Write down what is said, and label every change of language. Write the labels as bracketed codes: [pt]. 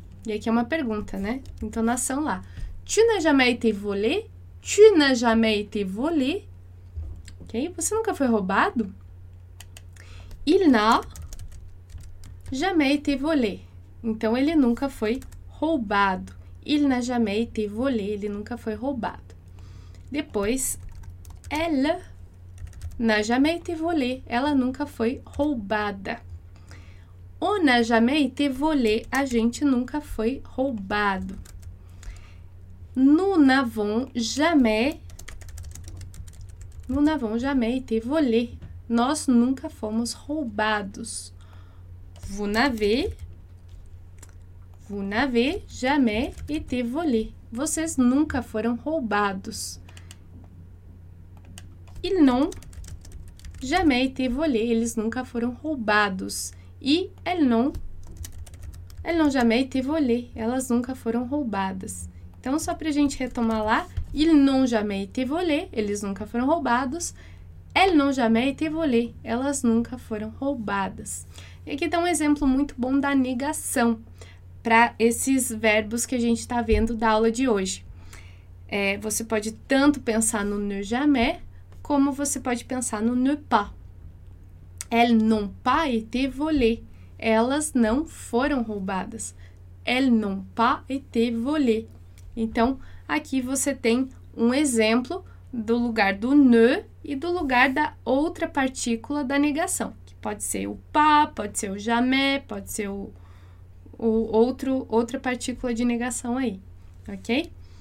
[pt] E aqui é uma pergunta, né? Entonação lá. [fr] Tu n'as jamais été volé? Tu n'as jamais été volé? Ok? [pt] Você nunca foi roubado? [fr] Il n'a jamais été volé. [pt] Então, ele nunca foi roubado. [fr] Il n'a jamais été volé. [pt] Ele nunca foi roubado. [fr] Depois, elle n'a jamais été volée. [pt] Ela nunca foi roubada. [fr] On n'a jamais été volé. [pt] A gente nunca foi roubado. [fr] Nous n'avons jamais été volé. [pt] Nós nunca fomos roubados. [fr] Vous n'avez jamais été volé. [pt] Vocês nunca foram roubados. [fr] Ils n'ont jamais été volé. [pt] Eles nunca foram roubados. [fr] E elles n'ont jamais été volé. [pt] Elas nunca foram roubadas. Então, só para a gente retomar lá, [fr] ils n'ont jamais été volé, [pt] eles nunca foram roubados. [fr] Elles n'ont jamais été volé, [pt] elas nunca foram roubadas. E aqui está um exemplo muito bom da negação para esses verbos que a gente está vendo da aula de hoje. É, você pode tanto pensar no ne jamais, como você pode pensar no ne pas. [fr] Elles n'ont pas été volées. [pt] Elas não foram roubadas. [fr] Elles n'ont pas été volées. [pt] Então, aqui você tem um exemplo do lugar do ne e do lugar da outra partícula da negação, que pode ser o pas, pode ser o jamais, pode ser outra partícula de negação aí, ok?